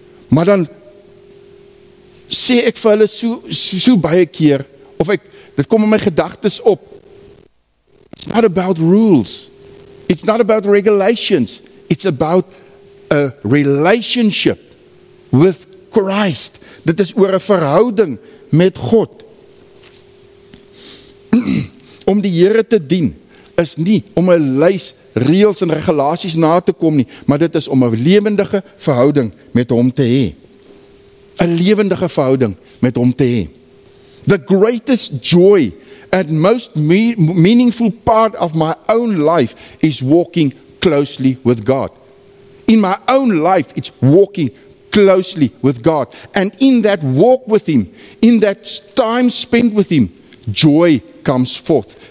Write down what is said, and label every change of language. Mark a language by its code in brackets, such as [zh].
[af] Maar dan sê ek vir hulle so baie keer, of ek, dit kom in my gedagtes op, [en] it's not about rules, it's not about regulations, it's about a relationship with Christ. [af] Dit is oor 'n verhouding met God. Om die Here te dien is nie om 'n lys reëls en regulasies na te kom nie, maar dit is om 'n lewendige verhouding met hom te hê. 'n Lewendige verhouding met hom te hê. [en] The greatest joy and most meaningful part of my own life is walking closely with God. In my own life, it's walking closely with God. And in that walk with Him, in that time spent with Him, joy comes forth.